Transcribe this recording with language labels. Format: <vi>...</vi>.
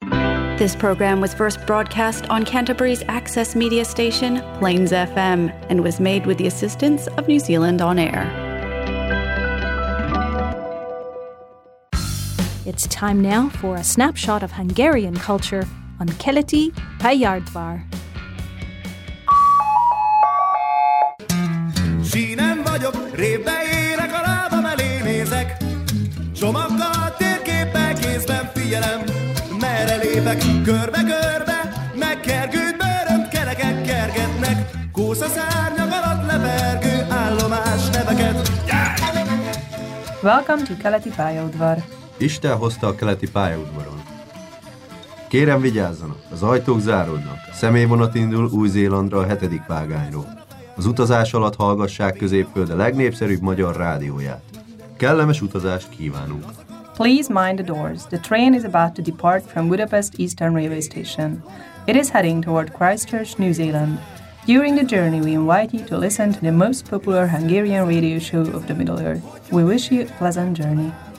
<en>This program was first broadcast on Canterbury's access media station, Plains FM, and was made with the assistance of New Zealand On Air. It's time now for a snapshot of Hungarian culture on Keleti, Pályaudvar.</en> <hu>Sínen vagyok, révbe érek, a lábam elé nézek. Csomagkal, térképpel, kézben figyelem, merre lépek. Körbe-körbe, megkergőd bőrönt, kerekek kergetnek. Kósza szárnyak alatt lebergő állomás neveket.</hu> <en>Yeah! Welcome to Keleti Pályaudvar.</en> <hu>Isten hozta a Keleti Pályaudvaron. Kérem vigyázzanak, az ajtók záródnak. Személyvonat indul Új-Zélandra a 7. vágányról. Az utazás alatt hallgassák középföld a legnépszerűbb magyar rádióját. Kellemes utazást kívánunk!</hu> <en>Please mind the doors. The train is about to depart from Budapest Eastern Railway Station. It is heading toward Christchurch, New Zealand. During the journey, we invite you to listen to the most popular Hungarian radio show of the Middle Earth. We wish you a pleasant journey.</en>